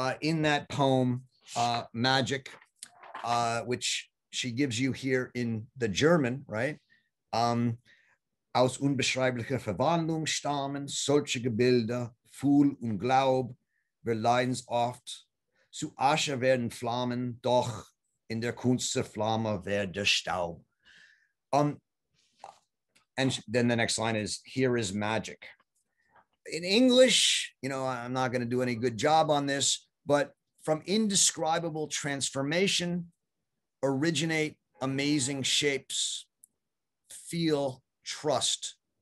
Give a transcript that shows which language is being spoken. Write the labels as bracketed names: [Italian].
[English] In that poem, Magic, which she gives you here in the German, right? [German] Aus unbeschreiblicher Verwandlung stammen solche Gebilde, Fuhl und Glaub, wir leiden's oft, zu Asche werden Flammen, doch in der Kunst der Flamme werde Staub. [English] Then the next line is, here is magic. In English, you know, I'm not going to do any good job on this, but from indescribable transformation originate amazing shapes, feel, trust.